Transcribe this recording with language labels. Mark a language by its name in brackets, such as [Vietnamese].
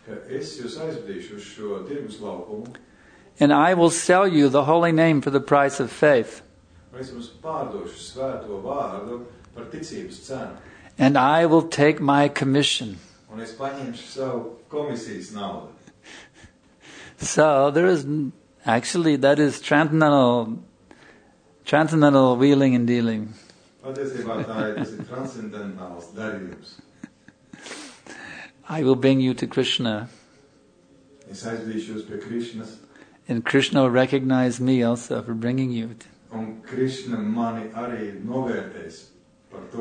[Latvian] Es jūs aizvedīšu uz šo tirgus laukumu. [English] And I will sell you the holy name for the price of faith. [Latvian] Es jums pārdošu svēto vārdu par ticības cenu. [English] And I will take my commission. [Latvian] Un es paņemšu savu komisijas naudu. [English] So there is actually that is transcendental wheeling and dealing. [Latvian] Patiesībā tā ir transcendentāls darījums. [English] I will bring you to Krishna. [Latvian] Es aizvedīšu jūs pie Krishnas. [English] And Krishna will recognize me also for bringing you. [Latvian] Un Krishna mani arī novērtēs par